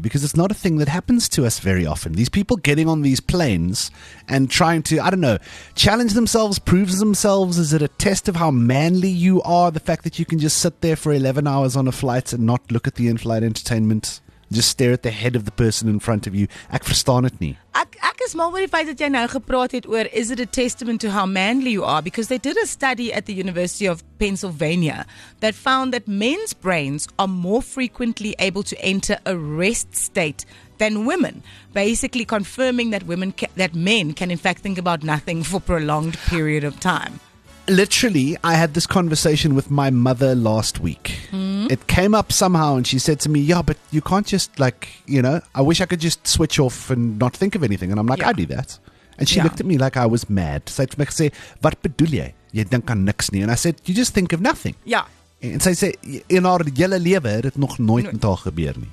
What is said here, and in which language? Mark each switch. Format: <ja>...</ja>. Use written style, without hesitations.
<en>Because it's not a thing that happens to us very often. These people getting on these planes and trying to, I don't know, challenge themselves, prove themselves. Is it a test of how manly you are? The fact that you can just sit there for 11 hours on a flight and not look at the in-flight entertainment? Just stare at the head of the person in front of you.</en> <af>Ek verstaan dit nie. Ek is mal oor die feit dat jy nou gepraat het oor</af> <en>is it a testament to how manly you are? Because they did a study at the University of Pennsylvania that found that men's brains are more frequently able to enter a rest state than women, basically confirming that women that men can in fact think about nothing for a prolonged period of time. Literally, I had this conversation with my mother last week. Mm-hmm. It came up somehow and she said to me, yeah, but you can't just like, you know, I wish I could just switch off and not think of anything. And I'm like, yeah. I do that. And she looked at me like I was mad. So I said,</en> <af>wat bedoel jy? Jy dink aan niks nie.</af> <en>And I said, you just think of nothing. Yeah.</en> <af>En sy said, in haar hele leven het nog nooit met haar gebeur nie.</af>